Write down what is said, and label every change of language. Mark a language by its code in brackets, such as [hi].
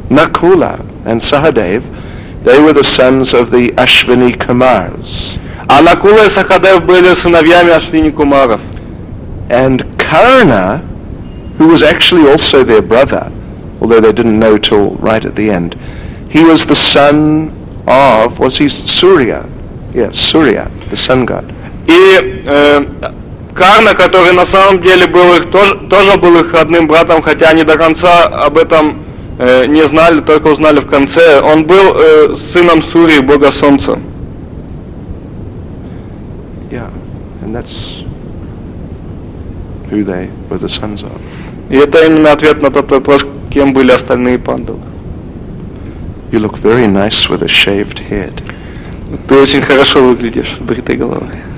[en] Nakula and Sahadev, they were the sons of the Ashwini Kumars. [ru] А Накула и Сахадев были сыновьями Ашвини Кумаров. [en] And Karna, who was actually also their brother, although they didn't know till right at the end, he was the son of, was he Surya? Yes, Surya, the sun god. [ru] И Карна, который на самом деле был их тоже был их родным братом, хотя они до конца об этом не знали, только узнали в конце. Он был сыном Сурии, бога солнца. [en] Yeah, and that's who they were the sons of. [ru] И это именно ответ на тот вопрос, кем были остальные пандавы. [en] You look very nice with a shaved head. [ru] Ты очень хорошо выглядишь с бритой головой.